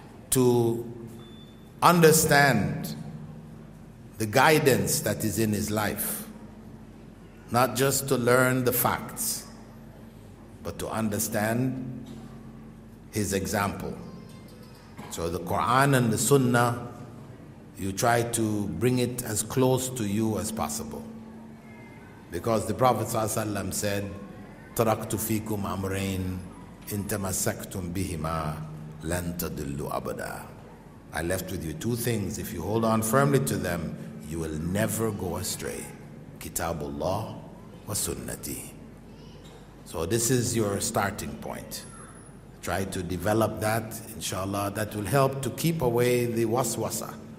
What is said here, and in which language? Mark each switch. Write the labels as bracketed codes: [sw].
[en] to understand the guidance that is in his life, not just to learn the facts but to understand his example. So the Quran and the Sunnah, you try to bring it as close to you as possible. Because the Prophet ﷺ said, [ar] تَرَكْتُ فِيكُمْ أَمْرَيْنِ إِنْ تَمَسَّكْتُمْ بِهِمَا لَنْ تَدُلُّ أَبَدًا. [en] I left with you two things. If you hold on firmly to them, you will never go astray. [ar] Kitabullah wa sunnati. [en] So this is your starting point. Try to develop that, inshallah. That will help to keep away the waswasa.